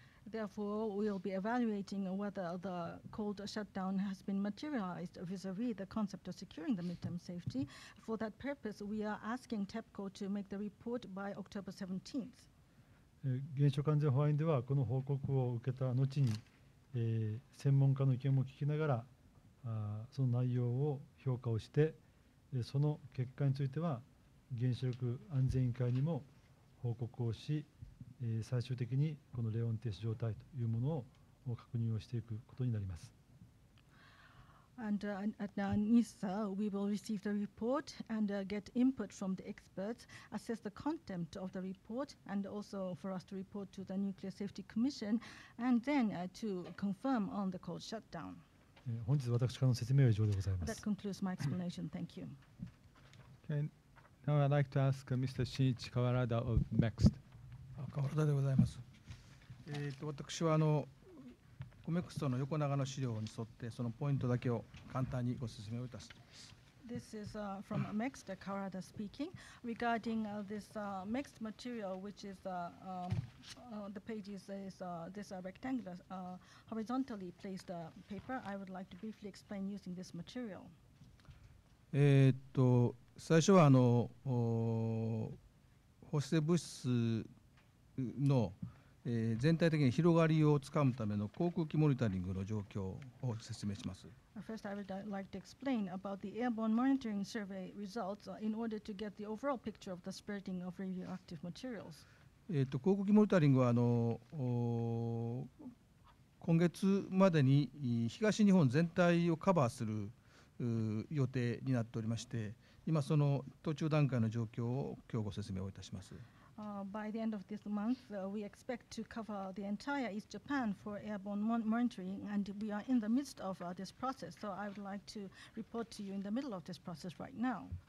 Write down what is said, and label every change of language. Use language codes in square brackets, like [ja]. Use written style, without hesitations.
[en] Therefore, we'll be evaluating whether the cold shutdown has been materialized vis-à-vis the concept of securing the midterm safety. For that purpose, we are asking TEPCO to make the report by October 17th. [ja] 原子力安全保安院ではこの報告を受けた後に、専門家の意見も聞きながら、その内容を評価をして、その結果については原子力安全委員会にも報告をし、最終的にこの冷温停止状態というものを確認をしていくことになります。 [en] And at NISA, we will receive the report and get input from the experts, assess the content of the report, and also for us to report to the Nuclear Safety Commission, and then to confirm on the cold shutdown. [ja] 本日私からの説明は以上でございます。 [en] That concludes my explanation. Thank you. Okay. Now I'd like to ask Mr. Shinichi Kawarada of MEXT. [ja] Kawarada でございます。私はCOMEXTの横長の資料に沿ってそのポイントだけを簡単にご説明をいたします。 [en] This is from MEXT, Kawarada speaking. Regarding this MEXT material, which is the pages is this rectangular, horizontally placed paper, I would like to briefly explain using this material. [ja] 最初は放射性物質の全体的に広がりをつかむための航空機モニタリングの状況を説明します。 [en] First, I would like to explain about the airborne monitoring survey results in order to get the overall picture of the spreading of radioactive materials. [ja] 航空機モニタリングは今月までに東日本全体をカバーする予定になっておりまして、今その途中段階の状況を今日ご説明をいたします。 [en] By the end of this month, we expect to cover the entire East Japan for airborne monitoring, and we are in the midst of this process. So I would like to report to you in the middle of this process right now.